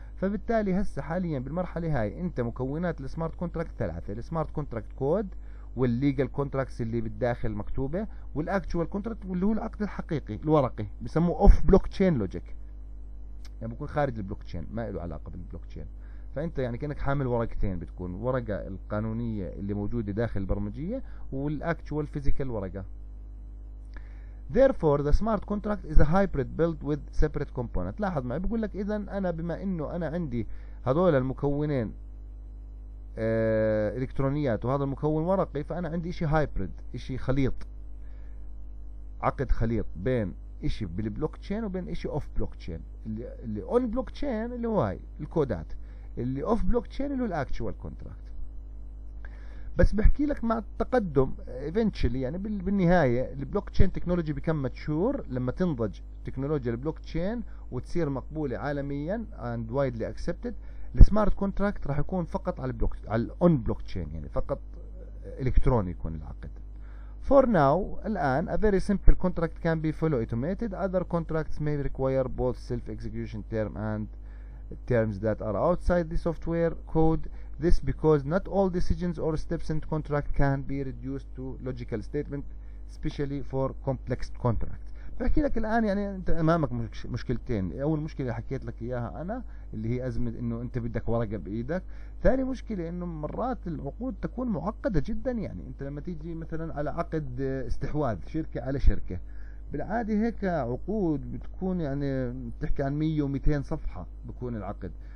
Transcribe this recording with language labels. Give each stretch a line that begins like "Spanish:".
Arabic: فبالتالي هسه حاليا بالمرحلة هاي انت مكونات السمارت كونتراكت ثلاثة، السمارت كونتراكت كود، والليجل كونتراكتس اللي بالداخل مكتوبه، والاكتوال كونتراكت واللي هو العقد الحقيقي الورقي بسموه اوف بلوك تشين لوجيك، يعني بكون خارج البلوك تشين، ما له علاقه بالبلوك تشين. فانت يعني كانك حامل ورقتين، بتكون ورقه القانونيه اللي موجوده داخل البرمجيه والاكتوال فيزيكال ورقه.
English: Therefore the smart contract is a hybrid built with separate component.
Arabic: لاحظ معي بقول لك اذا انا بما انه انا عندي هذول المكونين الكترونيات وهذا المكون ورقي، فانا عندي اشي هايبريد، اشي خليط، عقد خليط بين اشي بالبلوك تشين وبين اشي اوف بلوك تشين. اللي اون بلوك تشين اللي هو هاي الكودات، اللي اوف بلوك تشين اللي هو الاكتوال كونتراكت. بس بحكي لك مع التقدم eventually يعني بالنهاية البلوك تشين تكنولوجي بيكم ماتشور لما تنضج تكنولوجيا البلوك تشين وتصير مقبولة عالميا
English: and widely accepted.
Arabic: السمارت كونتراكت راح يكون فقط على البلوك على الاون بلوك تشين, يعني فقط الكتروني يكون العقد.
English: For now, الآن a very simple contract can be fully automated. Other contracts may require both self-execution term and terms that are outside the software code. This because not all decisions or steps in contract can be reduced to logical statement, especially for complex contracts.
Arabic: بحكي لك الآن يعني أنت أمامك مشكلتين. أول مشكلة حكيت لك إياها أنا اللي هي أزمة إنه أنت بدك ورقة بإيدك. ثاني مشكلة إنه مرات العقود تكون معقدة جدا. يعني أنت لما تيجي مثلا على عقد استحواذ شركة على شركة, بالعادي هيك عقود بتكون يعني بتحكي عن 100 و200 صفحة بكون العقد.